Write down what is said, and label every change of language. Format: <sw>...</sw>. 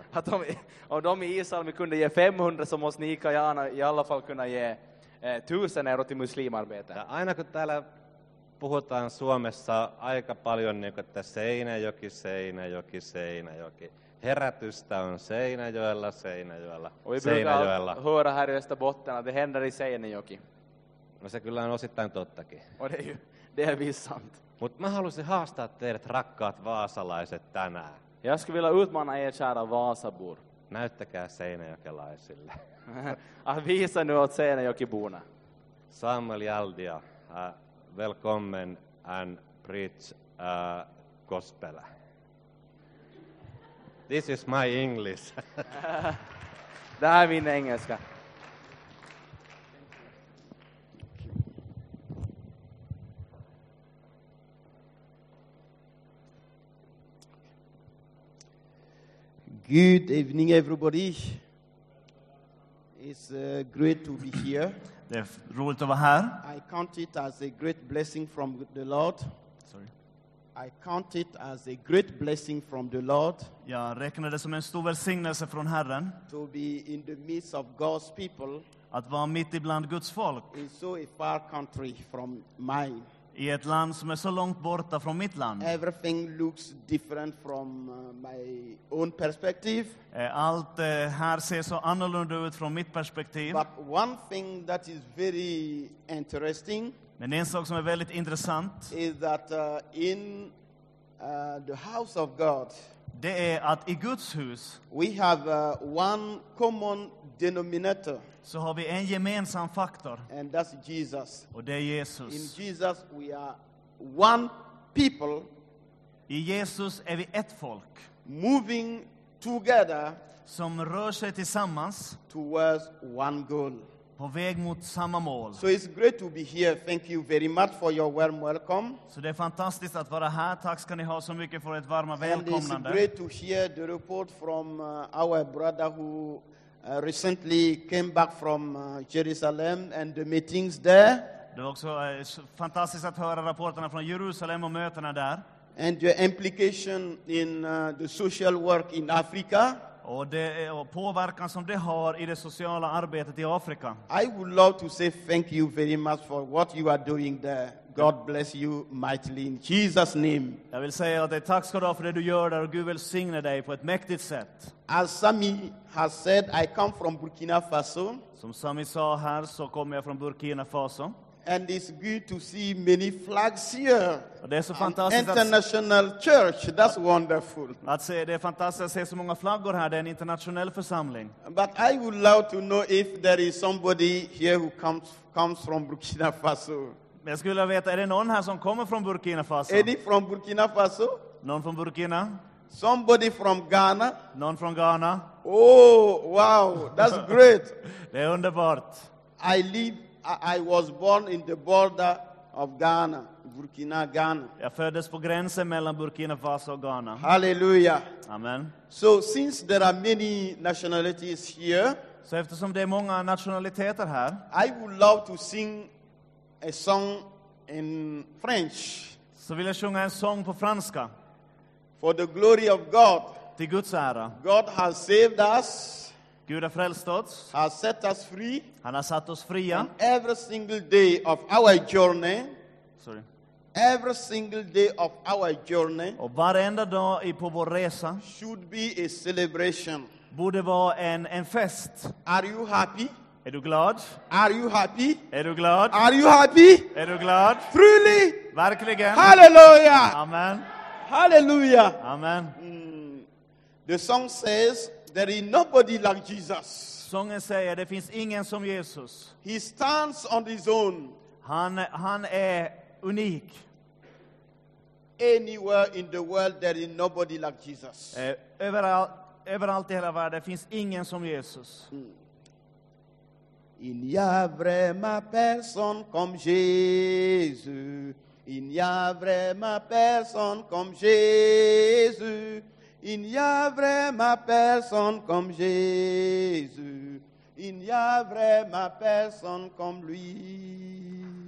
<sv>Att om de i Iisalmi kunde ge 500, så måste ni i Kajaana i alla fall kunna ge 1000 euroa till muslimarbetet.</sv> <fi>Aina kun täällä puhutaan Suomessa aika paljon, niin kuin, että Seinäjoki, Seinäjoki, Seinäjoki. Herätystä on Seinäjoella, Seinäjoella, Seinäjoella.</fi> <sv>Vi brukar höra här i Österbotten att det händer i Seinäjoki.</sv> <fi>No se kyllä on osittain tottakin.</fi> <sv>Och det är visst sant.</sv> <fi>Mutta mä halusin haastaa teidät rakkaat vaasalaiset tänään.</fi> <sv>Jag skulle vilja utmana er kära vaasabor.</sv> <fi>Näyttäkää seinäjokelaisille.</fi> <sv>Visa nu åt Seinäjokibuna.</sv> <en>Samuel Jaldia. Välkommen and preach gospel. This is my English.</en> <sv>Det här är min engelska.</sv> <en>Good evening everybody. It's great to be here.</en> <sv>Det är roligt att vara här.</sv> <en>I count it as a great blessing from the Lord. Sorry. I count it as a great blessing from the Lord.</en> <sv>Jag räknar det som en stor välsignelse från Herren.</sv> <en>To be in the midst of God's people.</en> <sv>Att vara mitt ibland Guds folk.</sv> <en>In so a far country from mine.</en> <sv>I ett land som är så långt borta från mitt land.</sv> <en>Everything looks different from my own perspective.</en> <sv>Allt här ser så annorlunda ut från mitt perspektiv.</sv> <en>But one thing that is very interesting.</en> <sv>Men en sak som är väldigt intressant.</sv> <en>Is that in the house of God.</en> <sv>Det är att i Guds hus.</sv> <en>We have one common denominator.</en> <sv>Så har vi en gemensam faktor.</sv> <en>And that's Jesus.</en> <sv>Och det är Jesus.</sv> <en>In Jesus we are one people.</en> <sv>I Jesus är vi ett folk.</sv> <en>Moving together.</en> <sv>Som rör sig tillsammans.</sv> <en>Towards one goal.</en> <sv>På väg mot samma mål.</sv> <en>So it's great to be here. Thank you very much for your warm welcome.</en> <sv>Så det är fantastiskt att vara här. Tack ska ni ha så mycket för ett varma välkomnande.</sv> <en>And it's great to hear the report from our brother who recently came back from Jerusalem and the meetings there.</en> <sv>Det var också fantastiskt att höra rapporterna från Jerusalem och mötena där.</sv> <en>And your implication in the social work in Africa.</en> <sv>Och påverkan som det har i det sociala arbetet i Afrika.</sv> <en>I would love to say thank you very much for what you are doing there. God bless you mightily in Jesus' name.</en> <sv>Jag vill säga att tack ska du ha för det du gör där och Gud välsigne dig på ett mäktigt sätt.</sv> <en>As Sami has said, I come from Burkina Faso.</en> <sv>Som Sami sa här så kommer jag från Burkina Faso.</sv> <en>And it's good to see many flags here.</en> <sv>Det är så fantastiskt.</sv> <en>International church, that's wonderful.</en> <sv>Det är fantastiskt att se så många flaggor här. Det är en internationell församling.</sv> <en>But I would love to know if there is somebody here who comes from Burkina Faso.</en> <sv>Men jag skulle vilja veta, är det någon här som kommer från Burkina Faso?</sv> <en>Any from Burkina Faso?</en> <sv>Någon från Burkina?</sv> <en>Somebody from Ghana?</en> <sv>Någon från Ghana?</sv> <en>Oh, wow, that's great.</en> <sv>Det är underbart.</sv> <en>I was born in the border of Ghana, Burkina, Ghana.</en> <sv>Jag föddes på gränsen mellan Burkina Faso och Ghana. Hallelujah. Amen.</sv> <en>So since there are many nationalities here,</en> <sv>så eftersom det är många nationaliteter här,</sv> <en>I would love to sing a song in French.</en> <sv>Så vill jag sjunga en sång på franska.</sv> <en>For the glory of God.</en> <sv>Till Guds ära.</sv> <en>God has saved us.</en> <sv>Gud har frälst oss.</sv> <en>Has set us free.</en> <sv>Han har satt oss fria.</sv> <en>And every single day of our journey. Sorry. Every single day of our journey.</en> <sv>Och varenda dag i på vår resa.</sv> <en>Should be a celebration.</en> <sv>Borde vara en fest.</sv> <en>Are you happy?</en> <sv>Är du glad?</sv> <en>Are you happy?</en> <sv>Är du glad?</sv> <en>Are you happy?</en> <sv>Är du glad?</sv> <en>Truly?</en> <sv>Verkligen? Hallelujah! Amen. Hallelujah! Amen.</sv> <en>The song says, there is nobody like Jesus.</en> <sv>Sången säger, det finns ingen som Jesus.</sv> <en>He stands on his own.</en> <sv>Han är unik.</sv> <en>Anywhere in the world, there is nobody like Jesus.</en> <sv>Överallt i hela världen finns ingen som Jesus.</sv> <fr>Il n'y a vraiment personne comme Jésus. Il n'y a vraiment personne comme Jésus. Il n'y a vraiment personne comme Jésus. Il n'y a vraiment personne comme lui.</fr>